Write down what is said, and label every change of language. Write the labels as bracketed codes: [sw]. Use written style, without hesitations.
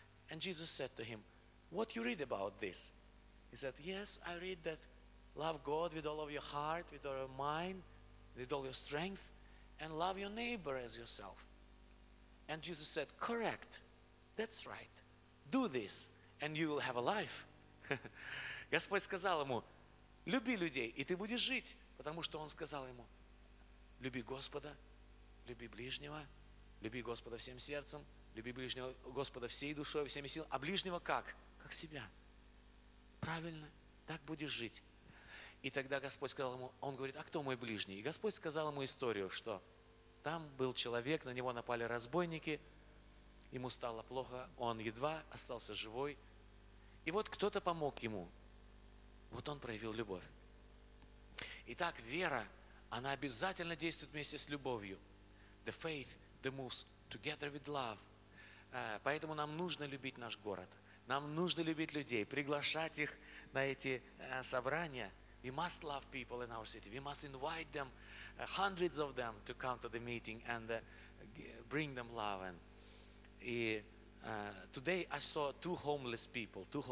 [en] And Jesus said to him, what you read about this? He said, yes, I read that love God with all of your heart, with all your mind, with all your strength, and love your neighbor as yourself. And Jesus said, correct, that's right. Do this, and you will have a life. [ru] Господь сказал ему, люби людей, и ты будешь жить. Потому что он сказал ему, люби Господа, люби ближнего, люби Господа всем сердцем, люби ближнего Господа всей душой, всеми силами. А ближнего как? Как себя. Правильно, так будешь жить. И тогда Господь сказал ему, он говорит, а кто мой ближний? И Господь сказал ему историю, что там был человек, на него напали разбойники, ему стало плохо, он едва остался живой. И вот кто-то помог ему. Вот он проявил любовь. Итак, вера, она обязательно действует вместе с любовью. [en] The faith that moves together with love. [ru] Поэтому нам нужно любить наш город. Нам нужно любить людей, приглашать их на эти собрания. [en] We must love people in our city. We must invite them, hundreds of them, to come to the meeting and bring them love. And today I saw two homeless people.